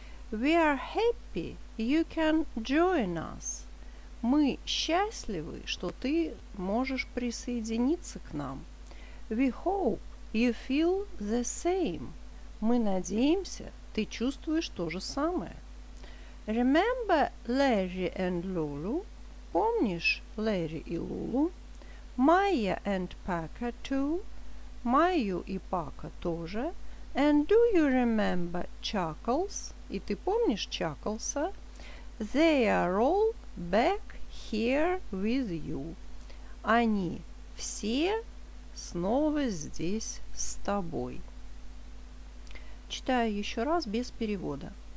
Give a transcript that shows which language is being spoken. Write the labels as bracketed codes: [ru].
[en] We are happy you can join us. [ru] Мы счастливы, что ты можешь присоединиться к нам. [en] We hope you feel the same. [ru] Мы надеемся, ты чувствуешь то же самое. [en] Remember Larry and Lulu? [ru] Помнишь Larry и Lulu? [en] Maya and Parker too? [ru] Майю и Пака тоже. [en] And do you remember Chuckles? [ru] И ты помнишь Чаклса? [en] They are all back here with you. [ru] Они все снова здесь с тобой. Читаю еще раз без перевода.